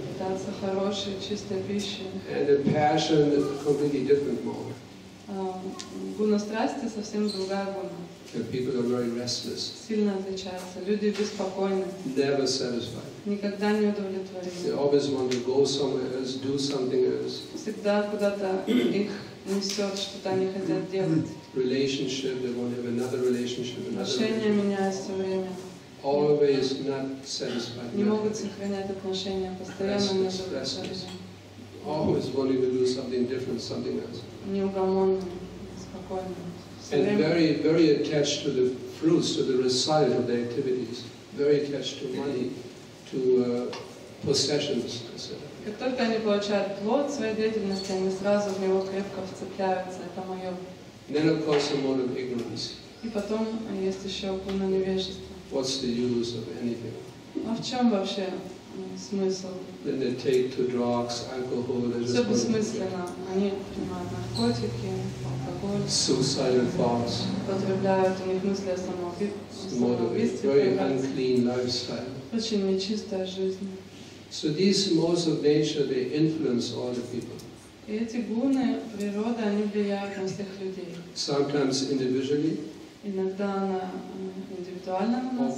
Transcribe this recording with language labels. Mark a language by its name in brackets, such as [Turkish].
[Russian] Питаться хорошей, чистой пищей. [English] And the passion is a completely different mode. [Russian] Гуна страсти совсем другая гуна. [English] The people are very restless. [Russian] Сильно отличаются. Люди беспокойны. [English] Never satisfied. [Russian] Никогда не удовлетворены. [English] They always want to go somewhere else, do something else. [Russian] Всегда куда-то их несет, что-то они хотят делать. [English] Relationship, they want to have another relationship. [Russian] Отношения меняются все время. [English] Always not satisfied. [Russian] Не могут сохранять отношения постоянно не удовлетворены. [English] Always wanting to do something different, something else. [Russian] Неугомонны, спокойны. [English] And very, very attached to the fruits, to the result of their activities. Very attached to money, to possessions, etc. [Russian] Как только они получают плод своей деятельности, они сразу в него крепко вцепляются. Это мое. [English] Then of course the mode of ignorance. [Russian] И потом есть еще полное невежество. [English] What's the use of anything? [Russian] А в чем вообще смысл? [English] Then they take to drugs, alcohol. [Russian] Все бессмысленно. Они принимают наркотики. [English] Suicidal thoughts. [Russian] Потребляют у них мысли о самоубийстве. [English] Very unclean lifestyle. [Russian] Очень нечистая жизнь. [English] So these modes of nature they influence all the people. [Russian] И эти гуны природы они влияют на всех людей. [English] Sometimes individually. [Russian] Иногда на индивидуально на нас.